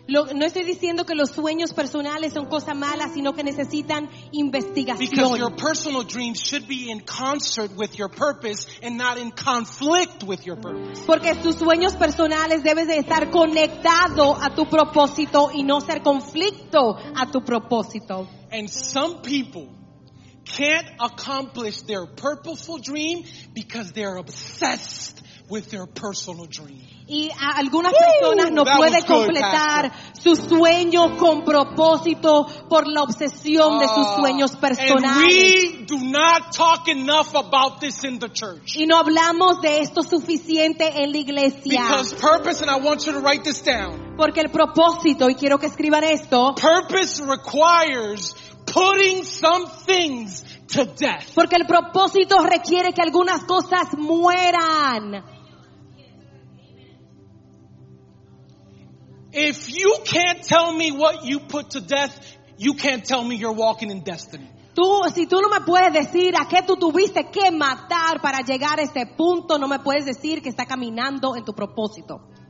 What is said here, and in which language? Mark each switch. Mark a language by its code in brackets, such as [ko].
[es] No estoy diciendo que los sueños personales son cosas malas, sino que necesitan investigación. [en] Because your personal dreams should be in concert with your purpose and not in conflict with your purpose. [es] Porque tus sueños personales deben de estar conectado a tu propósito y no ser conflicto a tu propósito. [en] And some people can't accomplish their purposeful dream because they're obsessed with their personal dream. [es] Y algunas personas no pueden completar su sueño con propósito por la obsesión de sus sueños personales. [en] And we do not talk enough about this in the church. [es] Y no hablamos de esto suficiente en la iglesia. [en] Because purpose, and I want you to write this down. [es] Porque el propósito, y quiero que escriban esto. [en] Purpose requires putting some things to death. [es] Porque el propósito requiere que algunas cosas mueran. [en] If you can't tell me what you put to death, you can't tell me you're walking in destiny. [es] Tú, si tú no me puedes decir a qué tú tuviste que matar para llegar a ese punto, no me puedes decir que está caminando en tu propósito.